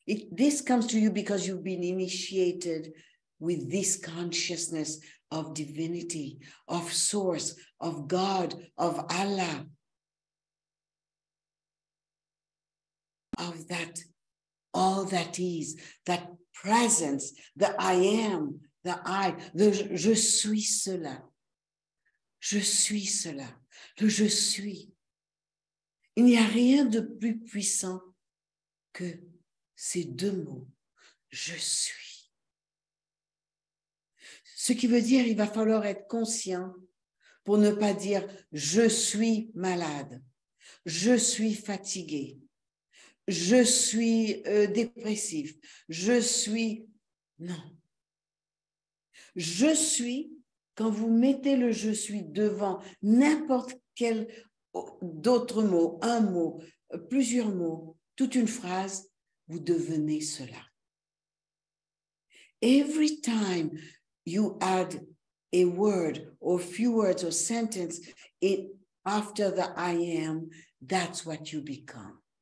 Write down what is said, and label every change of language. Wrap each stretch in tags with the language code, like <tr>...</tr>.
<en>This comes to you because you've been initiated with this consciousness of divinity, of source, of God, of Allah, of that all that is, that presence, the I am, the I, the</en> <fr>je suis cela, je suis</fr> <en>cela, le je suis.</en> <fr>Il n'y a rien de plus puissant que ces deux mots, je suis. Ce qui veut dire, il va falloir être conscient pour ne pas dire « je suis malade, je suis fatigué, je suis dépressif, je suis… » Non. Je suis, quand vous mettez le « je suis » devant n'importe quel d'autres mots, un mot, plusieurs mots, toute une phrase, vous devenez cela.</fr> <en>Every time you add a word or few words or sentence in after the I am, that's what you become.</en>